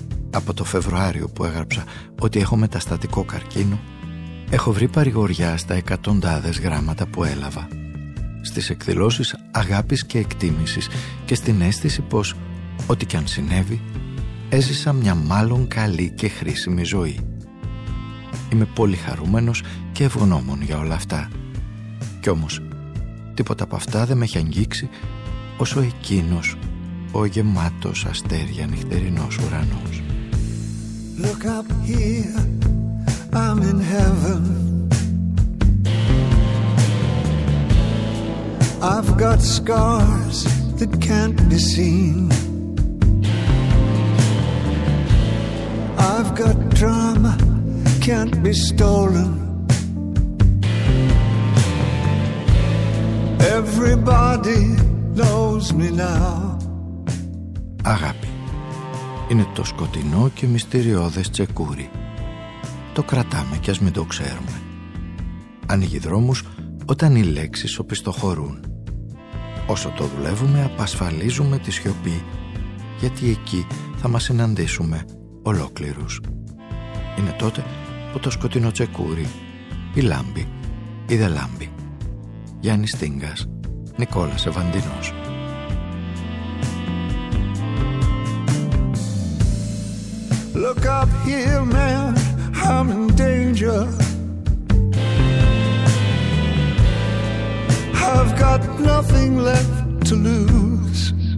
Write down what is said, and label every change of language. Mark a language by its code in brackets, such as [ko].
[el] Από το Φεβρουάριο που έγραψα ότι έχω μεταστατικό καρκίνο, έχω βρει παρηγοριά στα εκατοντάδες γράμματα που έλαβα, στις εκδηλώσεις αγάπης και εκτίμησης και στην αίσθηση πως, ό,τι κι αν συνέβη, έζησα μια μάλλον καλή και χρήσιμη ζωή. Είμαι πολύ χαρούμενος και ευγνώμων για όλα αυτά. Κι όμως, τίποτα από αυτά δεν με έχει αγγίξει όσο εκείνος ο γεμάτος αστέρια νυχτερινός ουρανός. [en] Look up here, I'm in heaven. I've got scars that can't be seen. I've got drama, can't be stolen. Everybody knows me now. [el] Αγάπη είναι το σκοτεινό και μυστηριώδες τσεκούρι. Το κρατάμε κι ας μην το ξέρουμε. Ανοίγει δρόμους όταν οι λέξεις οπισθοχωρούν. Όσο το δουλεύουμε, απασφαλίζουμε τη σιωπή, γιατί εκεί θα μας συναντήσουμε ολόκληρους. Είναι τότε που το σκοτεινό τσεκούρι, η λάμπη, η δε λάμπη. Γιάννης Τίνγκας, Νικόλας Ευαντινός. [en] Look up here, man, I'm in danger. I've got nothing left to lose.